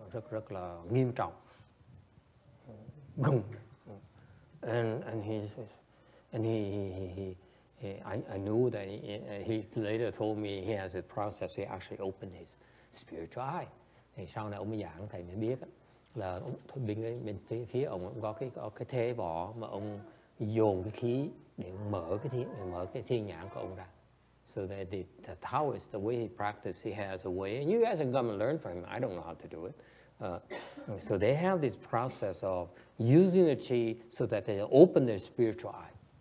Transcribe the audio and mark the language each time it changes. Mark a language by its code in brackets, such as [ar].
[vi] Rất là nghiêm trọng. [en] And he knew that he later told me he has a process. He actually opened his spiritual eye. [vi] Thì sau này ông mới giảng thầy mới biết là bên phía ông cũng có cái thế võ mà ông dồn cái khí để mở cái thiên nhãn của ông ra. [en] So that the Taoist, the way he practices, he has a way. And you guys can come and learn from him. I don't know how to do it. So they have this process of using the chi so that they open their spiritual eye.